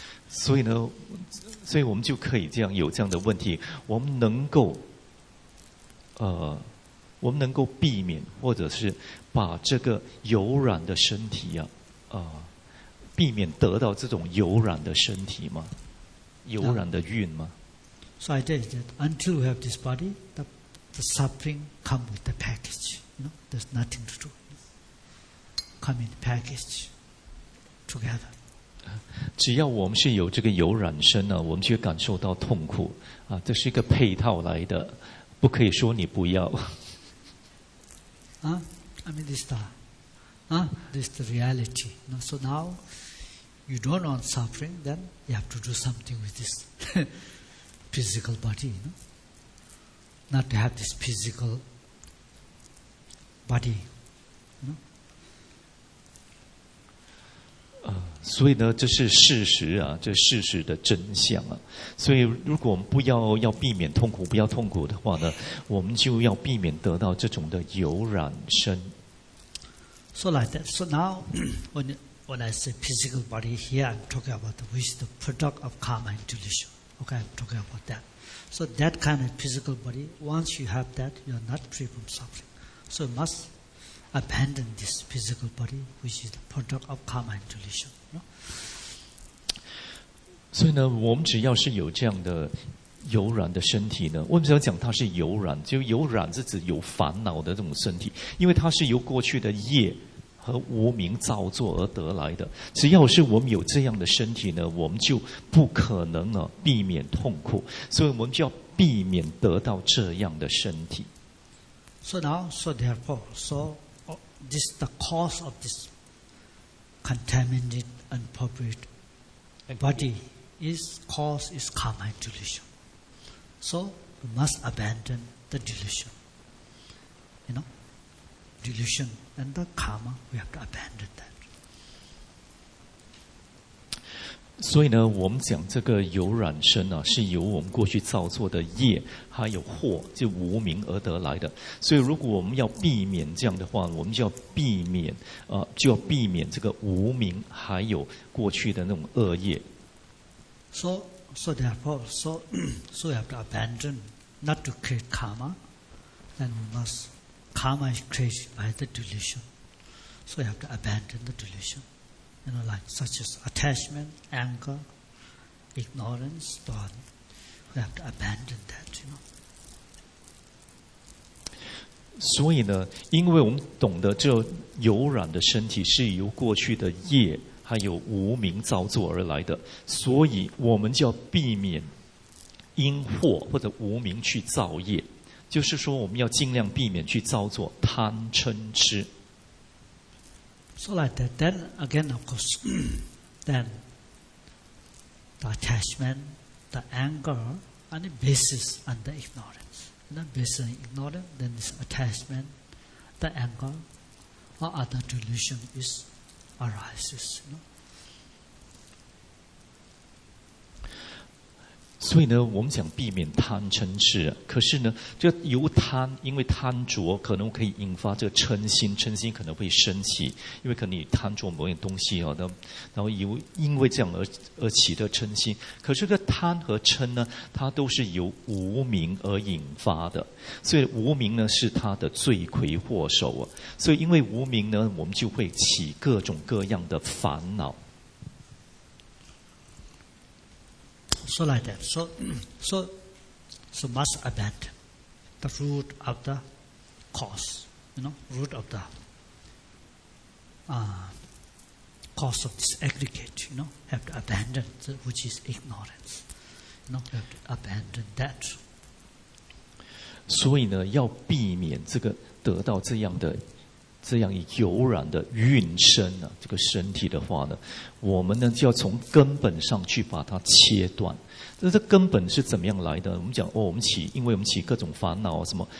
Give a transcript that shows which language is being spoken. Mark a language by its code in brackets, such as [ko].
[zh] 所以我们就可以这样有这样的问题，我们能够避免或者是把这个有染的身体啊，避免得到这种有染的身体吗？有染的运吗 [en] ？So I tell you that until we have this body, the suffering come with the package. You know, there's nothing to do. Come in the package together. [zh] 只要我们是有这个有染身呢，我们就感受到痛苦啊，这是一个配套来的，不可以说你不要。 [en] This is the reality. So now, you don't want suffering, then you have to do something with this physical body. You know? Not to have this physical body. No? [zh] 所以呢，这是事实啊，这事实的真相啊。所以，如果我们不要避免痛苦，不要痛苦的话呢，我们就要避免得到这种的有染身。 [en] So like that. So now, when I say physical body here, I'm talking about the, which is the product of karma and delusion. Okay, I'm talking about that. So that kind of physical body, once you have that, you are not free from suffering. So you must abandon this physical body, which is the product of karma and delusion. [zh] 所以呢，我们只要是有这样的柔软的身体呢，我们只要讲它是柔软，就柔软是指有烦恼的这种身体，因为它是由过去的业和无明造作而得来的。只要是我们有这样的身体呢，我们就不可能呢避免痛苦，所以我们就要避免得到这样的身体。 [en] So now, so therefore, so this the cause of this contaminated and polluted body. Is cause is karma and delusion. So we must abandon the delusion. You know, delusion and the karma, we have to abandon that. [zh] 所以呢，我们讲这个有染身啊，是由我们过去造作的业还有祸，就无明而得来的。所以如果我们要避免这样的话，我们就要避免就要避免这个无明还有过去的那种恶业。 [en] So therefore, so we have to abandon not to create karma, then we must, karma is created by the delusion. So we have to abandon the delusion. You know, like such as attachment, anger, ignorance, thought. We have to abandon that, you know. [zh] 所以呢，因为我们懂得这柔软的身体是由过去的业还有无明造作而来的，所以我们就要避免因祸或者无明去造业，就是说我们要尽量避免去造作贪嗔痴。 [en] So like that, then again, of course, then the attachment, the anger, and the basis and the ignorance. And the basis and ignorance, then this attachment, the anger, or other delusion is. Arises, no? [zh] 所以呢，我们讲避免贪嗔痴，可是呢，这由贪，因为贪着可能可以引发这个嗔心，嗔心可能会升起，因为可能你贪着某样东西啊，然后由因为这样而起的嗔心。可是这贪和嗔呢，它都是由无明而引发的，所以无明呢是它的罪魁祸首啊。所以因为无明呢，我们就会起各种各样的烦恼。 [en] So like that. So must abandon the root of the cause, you know, root of the cause of this aggregate, you know, have to abandon, which is ignorance, you know, have to abandon that. [zh] 所以呢，要避免这个得到这样的这样有染的运身啊，这个身体的话呢，我们呢就要从根本上去把它切断。那这根本是怎么样来的？我们讲哦，我们起各种烦恼什么？